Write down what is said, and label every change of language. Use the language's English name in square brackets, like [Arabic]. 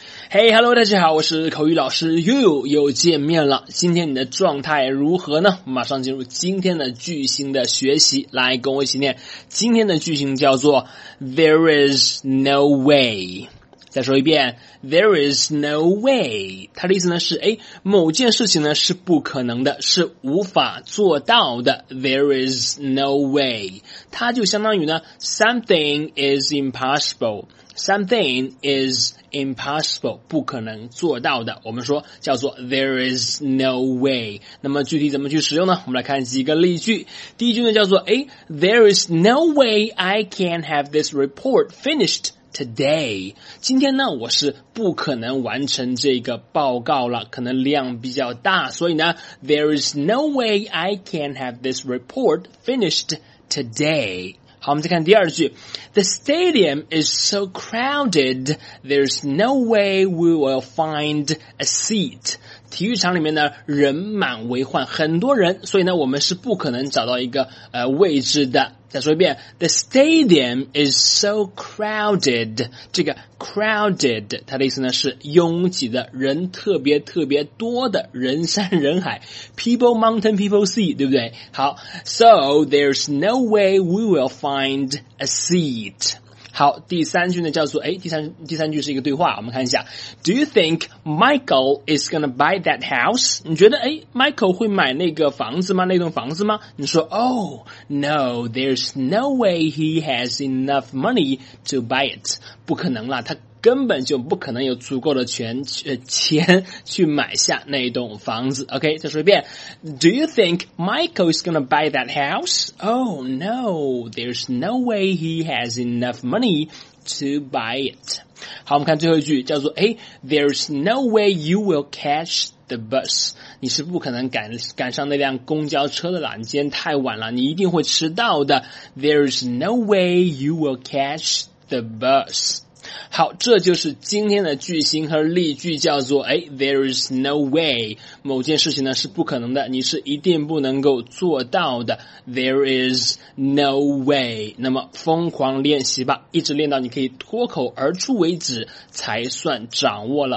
[English] Hey, hello, [Chinese] 大家好，我是口语老师悠悠，又见面了。今天你的状态如何呢？马上进入今天的句型的学习，来跟我一起念。今天的句型叫做 [English] There is no way。 [Chinese] 再说一遍 [English] ,There is no way. [Chinese] 它的意思呢是诶某件事情呢是不可能的，是无法做到的。 [English] There is no way. [Chinese] 它就相当于呢 [English] ,something is impossible. Something is impossible. [Chinese] 不可能做到的。我们说叫做 There is no way. 那么具体怎么去使用呢？我们来看几个例句。第一句呢叫做诶 [English] ,There is no way I can have this report finished. Today, [Chinese] 今天呢我是不可能完成这个报告了，可能量比较大，所以呢 [English] There is no way I can have this report finished today. [Chinese] 好，我们再看第二句。 [English] The stadium is so crowded, there's no way we will find a seat. [Chinese] 体育场里面呢人满为患，很多人，所以呢我们是不可能找到一个位置的。再说一遍 [English] ,The stadium is so crowded. [Chinese] 这个 crowded, 它的意思呢是拥挤的，人特别特别多的，人山人海。 [English] People mountain, people sea, [Chinese] 对不对？ 好 [English] ,So there's no way we will find a seat. [Chinese] 好，第三句呢叫做诶第三句是一个对话，我们看一下。 [English] Do you think Michael is gonna buy that house? [Chinese] 你觉得诶 ,Michael 会买那个房子吗？那栋房子吗？你说 [English] ,Oh, no, there's no way he has enough money to buy it. [Chinese] 不可能啦，他根本就不可能有足够的钱去买下那栋房子。 OK, 再说一遍。 [English] Do you think Michael is gonna buy that house? Oh no, there's no way he has enough money to buy it. [Chinese] 好，我们看最后一句叫做诶 [English] ,there's no way you will catch the bus. [Chinese] 你是不可能赶上那辆公交车的啦，你今天太晚了，你一定会迟到的。 [English] There's no way you will catch the bus. [Chinese] 好，这就是今天的句型和例句，叫做诶 [English] There is no way, [Chinese] 某件事情呢是不可能的，你是一定不能够做到的。 [English] There is no way, [Chinese] 那么疯狂练习吧，一直练到你可以脱口而出为止才算掌握了。